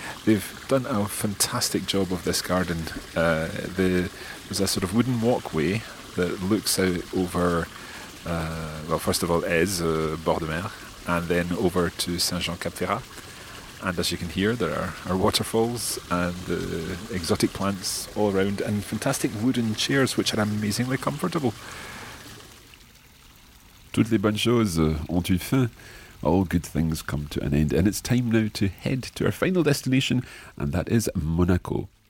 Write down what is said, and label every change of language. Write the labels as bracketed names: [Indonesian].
[English] They've done a fantastic job of this garden. There's a sort of wooden walkway that looks out over, well, first of all, Ez, bord de mer, and then over to Saint-Jean-Cap-Ferrat. And as you can hear, there are waterfalls and exotic plants all around, and fantastic wooden chairs, which are amazingly comfortable. [French] Toutes les bonnes choses ont une fin. [English] All good things come to an end. And it's time now to head to our final destination, and that is Monaco.